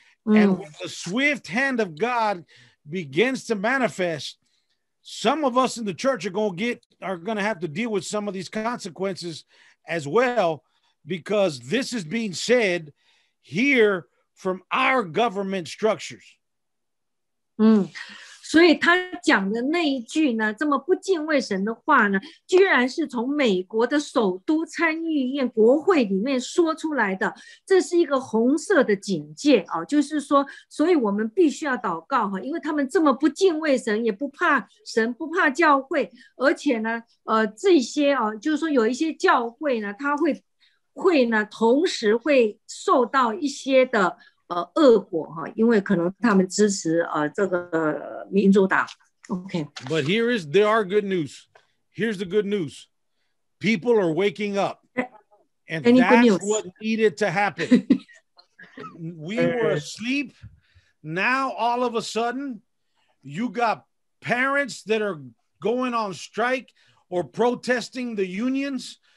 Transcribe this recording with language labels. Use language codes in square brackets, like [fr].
[en] And when the swift hand of God begins to manifest, some of us in the church are going to have to deal with some of these consequences as well, because this is being said here from our government structures. [zh] 所以他讲的那一句呢，这么不敬畏神的话呢，居然是从美国的首都参议院国会里面说出来的。这是一个红色的警戒啊，就是说，所以我们必须要祷告哈，因为他们这么不敬畏神，也不怕神，不怕教会，而且呢，这些啊，就是说有一些教会呢，他会呢，同时会受到一些的恶果哈，因为可能他们支持这个民主党。 [en] OK. But there are good news. Here's the good news. People are waking up, and that's what needed to happen. We were asleep. Now all of a sudden, you got parents that are going on strike or protesting the unions.